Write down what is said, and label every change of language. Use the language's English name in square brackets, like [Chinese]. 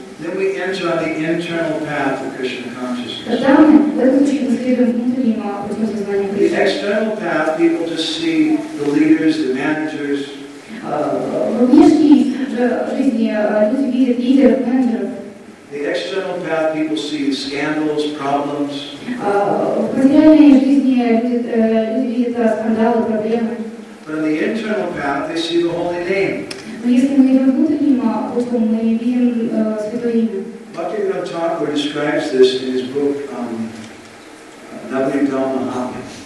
[English] then we enter on the internal path of Krishna consciousness. [Russian] Тогда мы в этом случае следуем внутреннему пути сознания Кришны. [English] The external path, people just see the leaders, the managers. [Russian] Во внешней жизни люди видят лидеров, менеджеров. [English] The external path, people see the scandals, problems. [Russian] В материальной жизни люди видят скандалы, проблемы. [English] But on the internal path, they see the holy name. [Russian] Но если мы идем внутренним путем, мы видим святое имя. [English] Bhaktivinoda Thakur describes this in his book Navadvipa Mahatmya.